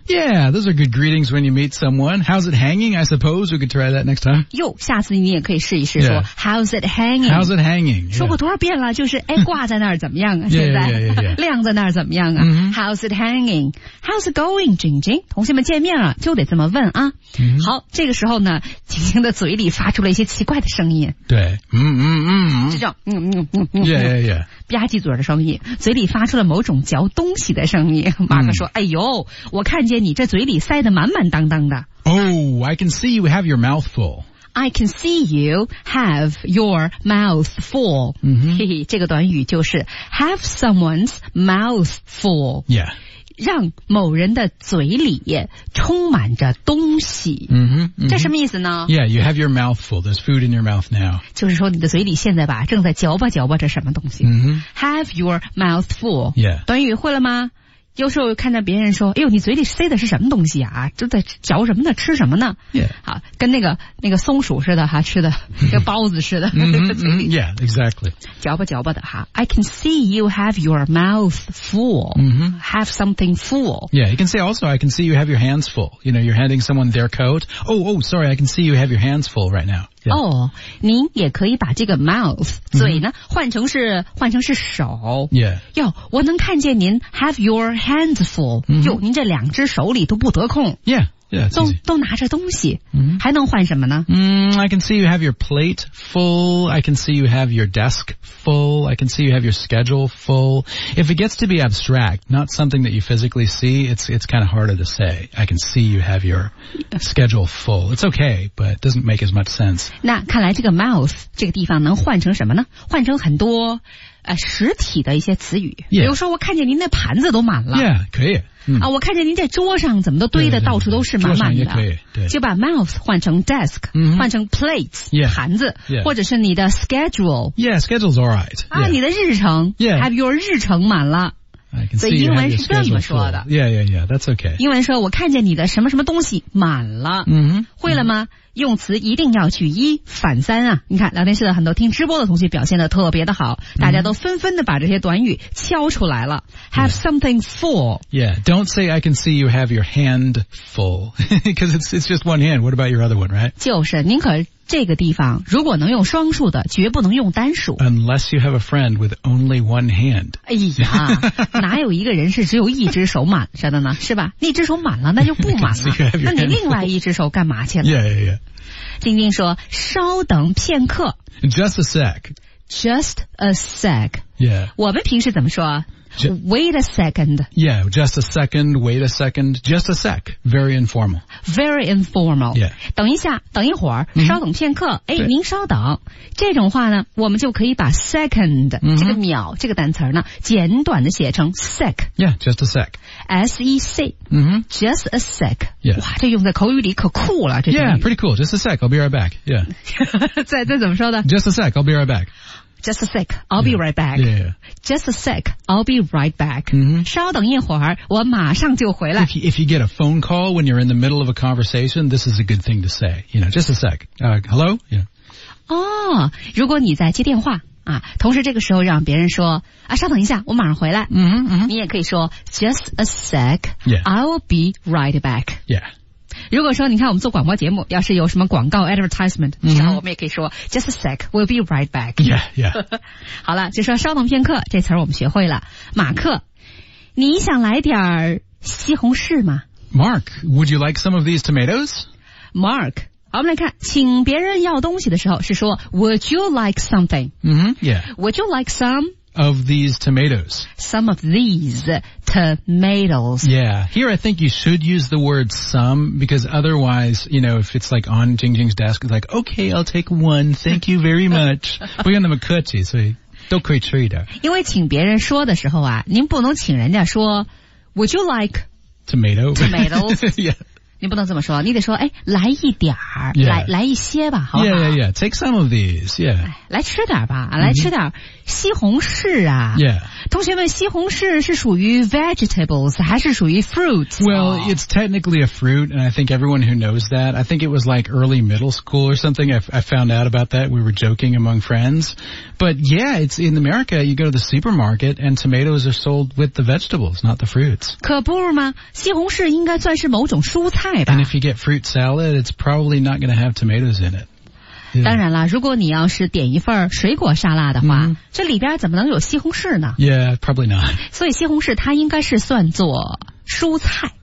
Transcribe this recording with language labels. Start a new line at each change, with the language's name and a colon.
English: Yeah, those are good greetings when you meet someone. How's it hanging? I suppose we could try that next time.
Chinese: 哟，下次你也可以试一试说、
English: yeah. How's it hanging? How's it hanging?
Chinese: 说过多少遍了，就是哎，挂在那儿怎么样啊？现在
English: yeah, yeah, yeah, yeah.
Chinese: 晾在那儿怎么样啊、 mm-hmm.
English: How's it hanging? How's it going, 晶晶？
Chinese: 同学们见面了就得这么问啊、 mm-hmm. 好，这个时候呢晶晶的嘴里发出了一些奇怪的声音。对，嗯嗯嗯，这种
English: yeah, yeah, yeah.
Chinese: 吧唧嘴的声音，嘴里发出了某种嚼东西的声音。马克说、哎呦，我看见你这嘴里塞得满满当当的。
English: Oh, I can see you have your mouth full. I can see you have your mouth full、 mm-hmm.
Chinese: 这个短语就是
English: have someone's mouth full、 yeah.
Chinese: 让某人的嘴里充满着东西、 mm-hmm, mm-hmm. 这什么意思呢？
English: Yeah, you have your mouth full. There's food in your mouth now.
Chinese: 就是说你的嘴里现在吧正在嚼吧嚼吧着什么东西、 mm-hmm.
English: Have your mouth full、 yeah.
Chinese: 短语会了吗？有时候看到别人说，哎呦，你嘴里塞的是什么东西啊？这在嚼什么呢？吃什么呢？
English: Yeah.
Chinese: 好，跟那个松鼠似的哈，吃的跟包子似的。
English: Mm-hmm. Yeah, exactly.
Chinese: 嚼吧嚼吧的哈。
English: I can see you have your mouth full.、 Mm-hmm. Have something full. Yeah, you can say also, I can see you have your hands full. You know, you're handing someone their coat. Oh, sorry, I can see you have your hands full right now.
Chinese: 哦、
English: yeah. oh,
Chinese: 您也可以把这个 mouth, 嘴呢、mm-hmm. 换成是手。
English: Yeah.
Chinese: 哟我能看见您
English: have your hands full,
Chinese: 哟、mm-hmm. 您这两只手里都不得空。
English: Yeah,
Chinese: 都拿着东西、 mm-hmm. 还能换什么呢、
English: I can see you have your plate full, I can see you have your desk full, I can see you have your schedule full. If it gets to be abstract, not something that you physically see, it's kind of harder to say. I can see you have your schedule full. It's okay, but it doesn't make as much sense.
Chinese: 那看来这个 mouth 这个地方能换成什么呢？换成很多实体的一些词语、
English: yeah.
Chinese: 比如说我看见您的盘子都满了 yeah, 可以、啊、我看见您在桌上怎么都堆的到处都是满满的桌上也可以对就把 mouth 换成 desk、 mm-hmm. 换成 plates、
English: yeah.
Chinese: 盘子、
English: yeah.
Chinese: 或者是你的 schedule
English: yeah schedule's alright、yeah.
Chinese: 你的日程、
English: yeah. have your
Chinese: 日程满了所以英文是这么说的
English: yeah that's okay
Chinese: 英文说我看见你的什么什么东西满了、 mm-hmm. 会了吗、mm-hmm. 用词一定要去一反三啊！你看聊天室的很多听直播的同学表现得特别的好，大家都纷纷的把这些短语敲出来了。
English: Mm. Have something full. Yeah, don't say I can see you have your hand full because it's just one hand. What about your other one, right?
Chinese: 就是，您可这个地方如果能用双数的，绝不能用单数。
English: Unless you have a friend with only one hand.
Chinese: 哎呀，哪有一个人是只有一只手满着的呢？是吧？那只手满了，那就不满了。那你另外一只手干嘛去了？
English: Yeah.
Chinese: 丁丁说稍等片刻
English: Just a sec Just a sec Yeah
Chinese: 我们平时怎么说
English: Wait a second Yeah just a second Wait a second Just a sec Very informal Very informal Yeah
Chinese: 等一下等一会儿、mm-hmm. 稍等片刻哎，您稍等这种话呢我们就可以把 second、 mm-hmm. 这个秒这个单词呢简短的写成 sec
English: Yeah just a sec S-E-C、 mm-hmm. Just a sec Yeah.
Chinese: 哇这用在口语里可酷了这
English: Yeah, pretty cool. Just a sec. I'll be right back. Yeah.
Chinese: 再怎么说的
English: Just a sec. I'll be right back. Just a sec. I'll be right back. Yeah. Just a sec. I'll be right back.、 Mm-hmm.
Chinese: 稍等一会儿我马上就回来。
English: If you get a phone call when you're in the middle of a conversation, this is a good thing to say. You know, just a sec.、Hello? Yeah.
Chinese: 哦如果你在接电话。啊，同时这个时候让别人说啊，稍等一下，我马上回来。嗯、mm-hmm, mm-hmm. 你也可以说
English: Just a sec,、 yeah. I'll be right back. Yeah.
Chinese: 如果说你看我们做广播节目，要是有什么广告 advertisement，、 mm-hmm. 然后我们也可以说
English: Just a sec, we'll be right back. Yeah, yeah.
Chinese: 好了，就说稍等片刻，这词我们学会了。马克，你想来点西红柿吗
English: ？Mark, would you like some of these tomatoes?
Chinese: Mark. 好我们来看请别人要东西的时候是说
English: Would you like something?、 Mm-hmm, yeah. Would you like some? Of these tomatoes. Some of these tomatoes. Yeah. Here I think you should use the word some because otherwise, you know, if it's like on Jing Jing's desk, it's like, okay, I'll take one. Thank you very much.
Chinese: 不用那么客气所以都可以吃一点。因为请别人说的时候啊您不能请人家说
English: Would you like tomatoes? yeah.
Chinese: 你不能这么说你得说哎，来一点儿、
English: yeah.
Chinese: 来一些吧好吧
English: Yeah, yeah, yeah. Take some of these, yeah.
Chinese: 来吃点吧、mm-hmm. 来吃点西红柿啊。
English: Yeah.
Chinese: 同学们西红柿是属于 vegetables, 还是属于 fruits?
English: Well,、oh. it's technically a fruit, and I think everyone who knows that, I think it was like early middle school or something, I found out about that, we were joking among friends. But yeah, it's in America, you go to the supermarket, and tomatoes are sold with the vegetables, not the fruits.
Chinese: 可不吗西红柿应该算是某种蔬菜。
English: And if you get fruit salad, it's probably not going to have tomatoes in it.、
Chinese: Yeah. 当然了如果你要是点一份水果沙拉的话、mm. 这里边怎么能有西红柿呢
English: Yeah, probably not.
Chinese: 所以西红柿它应该是算作蔬菜。